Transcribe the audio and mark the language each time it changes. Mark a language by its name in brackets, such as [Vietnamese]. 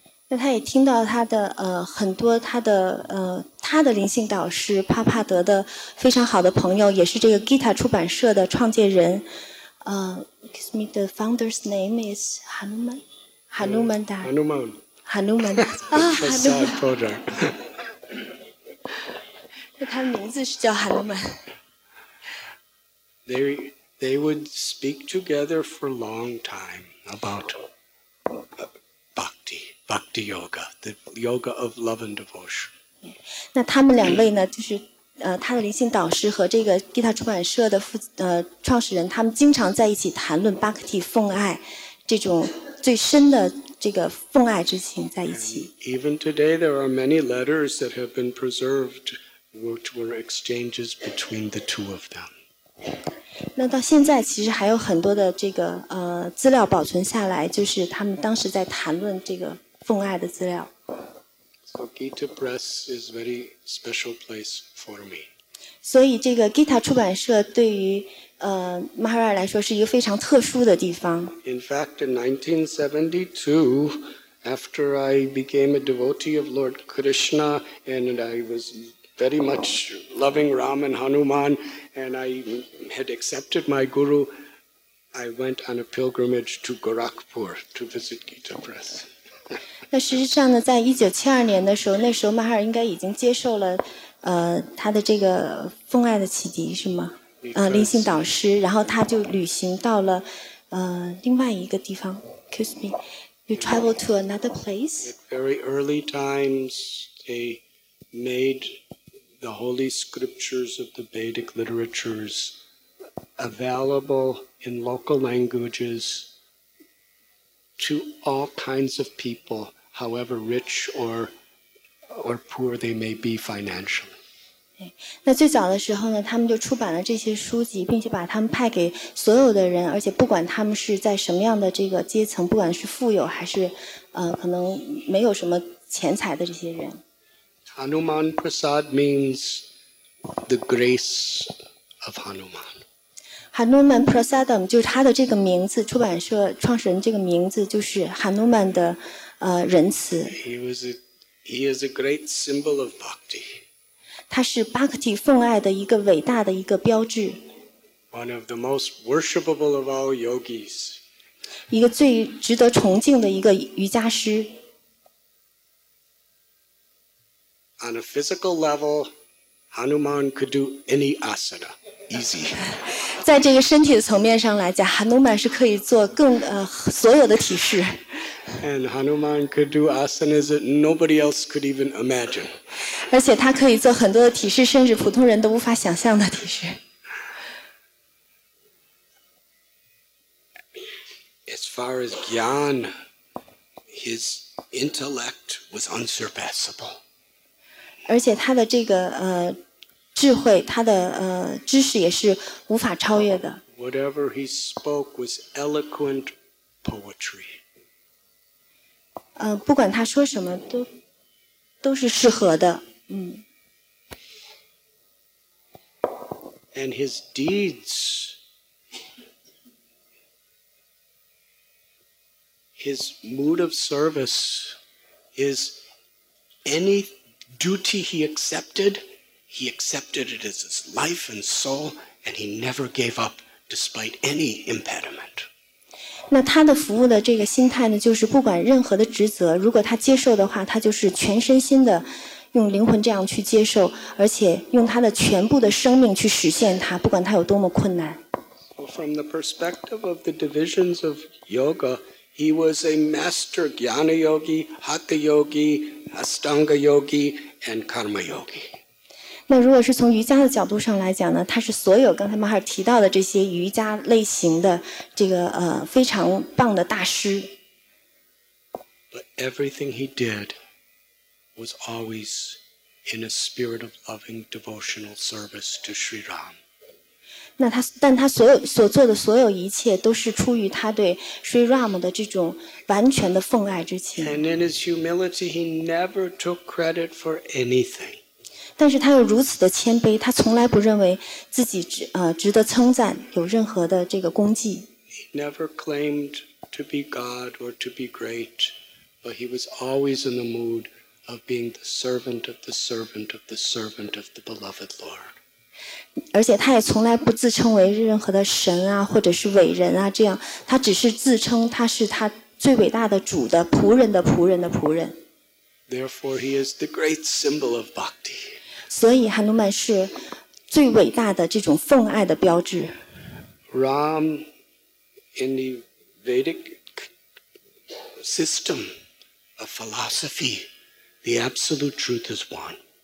[Chinese] 那他也听到他的很多他的他的灵性导师帕帕德的非常好的朋友，也是这个 Gita 出版社的创建人。 [English] Excuse me, the founder's name is Hanuman. Hanuman Das. Hanuman. Hanuman. Prasad Bodhar. [Chinese] 他的名字是叫 Hanuman. [English] They would speak together for a long time about bhakti yoga, the yoga of love and devotion. [Chinese] 那他们两位呢，就是他的灵性导师和这个 Gita 出版社的创始人，他们经常在一起谈论 bhakti 奉爱，这种最深的这个奉爱之情在一起。 [English] And、even today, there are many letters that have been preserved, which were exchanges between the two of them. [Chinese] 那到现在其实还有很多的这个资料保存下来，就是他们当时在谈论这个奉爱的资料。 [English] So Gita Press is a very special place for me. [Chinese] 所以这个 Gita 出版社对于Maharaj 来说是一个非常特殊的地方。 [English] In fact, in 1972, after I became a devotee of Lord Krishna, and I was very much loving Ram and Hanuman, and I had accepted my guru, I went on a pilgrimage to Gorakhpur to visit Gita Press. [Chinese] 那实际上呢，在1972年的时候，那时候马哈尔应该已经接受了，他的这个奉爱的启迪是吗？灵性导师，然后他就旅行到了，另外一个地方。 [English] Excuse me, you travel to another place? At very early times, they made the holy scriptures of the Vedic literatures available in local languages. To all kinds of people, however rich or poor they may be financially. [Chinese] 那最早的时候呢，他们就出版了这些书籍，并且把他们派给所有的人，而且不管他们是在什么样的这个阶层，不管是富有还是可能没有什么钱财的这些人。 [English] Hanuman Prasad means the grace of Hanuman. [Chinese] Hanuman Prasadam 就是他的这个名字，出版社创始人这个名字就是 Hanuman 的仁慈。 [English] He is a great symbol of bhakti. [Chinese] 他是 bhakti 奉爱的一个伟大的一个标志。 [English] One of the most worshipable of all yogis. [Chinese] 一个最值得崇敬的一个瑜伽师。 [English] On a physical level, Hanuman could do any asana. Easy. [Chinese] 在这个身体的层面上来讲 ，Hanuman 是可以做更所有的体式。 [English] And Hanuman could do asanas that nobody else could even imagine. [Chinese] 而且他可以做很多的体式，甚至普通人都无法想象的体式。 [English] as far as Gyan, his intellect was unsurpassable. [Chinese] 而且他的这个智慧，他的知识也是无法超越的。 [English] Whatever he spoke was eloquent poetry. [Chinese] 不管他说什么都是适合的。 [English] And his deeds, his mood of service, is any duty he accepted it as his life and soul, and he never gave up despite any impediment. [Chinese] 那他的服务的这个心态呢，就是不管任何的职责，如果他接受的话，他就是全身心的。用灵魂这样去接受，而且用他的全部的生命去实现它，不管它有多么困难。 [English] From the perspective of the divisions of yoga, he was a master jnana yogi, hatha yogi, astanga yogi, and karma yogi. [Chinese] 那如果是从瑜伽的角度上来讲呢，他是所有刚才马哈尔提到的这些瑜伽类型的这个非常棒的大师。 [English] But everything he did. Was always in a spirit of loving devotional service to Sri Ram. [Chinese] 那他但他所做的所有一切都是出于他对 Sri Ram 的这种完全的奉爱之情。 [English] And in his humility, he never took credit for anything. [Chinese] 但是他又如此的谦卑，他从来不认为自己值得称赞，有任何的这个功绩。 [English] He never claimed to be God or to be great, but he was always in the mood. Of being the servant of the servant of the servant of the beloved Lord. [Chinese] 而且他也从来不自称为任何的神啊，或者是伟人啊，这样他只是自称他是他最伟大的主的仆人的仆人的仆人。 [English] Therefore, he is the great symbol of bhakti. [Chinese] 所以汉努曼是最伟大的这种奉爱的标志。 [English] Ram in the Vedic system of philosophy. The absolute truth is one.